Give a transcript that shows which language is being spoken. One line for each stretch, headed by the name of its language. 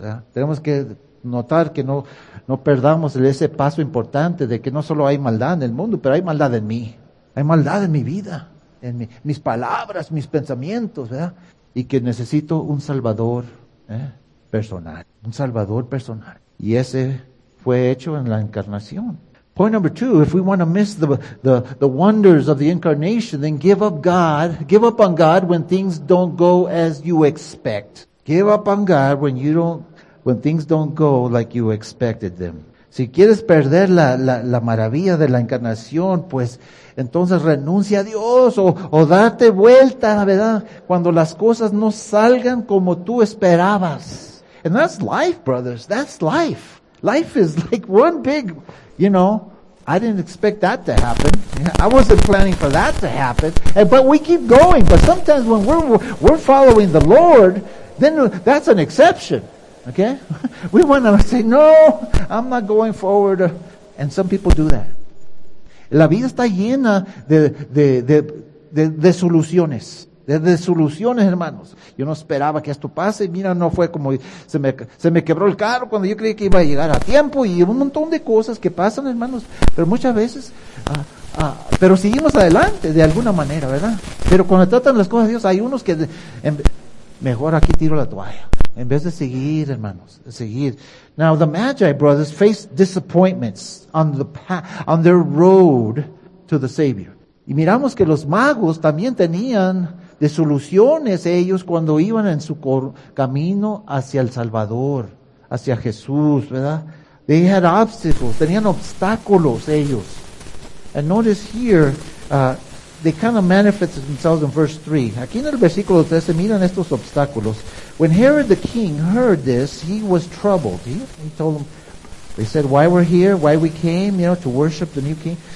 Spanish: ¿Eh? Tenemos que notar que no perdamos ese paso importante de que no solo hay maldad en el mundo, pero hay maldad en mí. Hay maldad en mi vida, en mis palabras, mis pensamientos, ¿verdad? Y que necesito un salvador, ¿eh? Personal. Un salvador personal. Y ese fue hecho en la encarnación.
English: Point number two, if we want to miss the wonders of the incarnation, then give up God. Give up on God when things don't go as you expect. Give up on God when things don't go like you expected them.
Spanish: Si quieres perder la maravilla de la encarnación, pues entonces renuncia a Dios o date vuelta, ¿verdad? Cuando las cosas no salgan como tú esperabas.
English: And that's life, brothers. That's life. Life is like one big, you know, I didn't expect that to happen. I wasn't planning for that to happen. But we keep going. But sometimes when we're following the Lord, then that's an exception. Okay? We want to say, no, I'm not going forward. And some people do that.
Spanish: La vida está llena de soluciones. De soluciones, hermanos. Yo no esperaba que esto pase. Mira, no fue como se me quebró el carro cuando yo creí que iba a llegar a tiempo. Y un montón de cosas que pasan, hermanos. Pero muchas veces, pero seguimos adelante de alguna manera, ¿verdad? Pero cuando tratan las cosas de Dios, hay unos que, mejor aquí tiro la toalla. En vez de seguir, hermanos, seguir.
English: Now the Magi brothers faced disappointments on the path, on their road to the Savior.
Spanish: Y miramos que los magos también tenían desilusiones ellos cuando iban en su camino hacia el Salvador, hacia Jesús, ¿verdad?
English: They had obstacles,
Spanish: tenían obstáculos ellos.
English: And notice here, they kind of manifest themselves in verse 3.
Spanish: Aquí en el versículo 13, miran estos obstáculos.
English: When Herod the king heard this, he was troubled. He told them, they said, why we're here, why we came, you know, to worship the new king.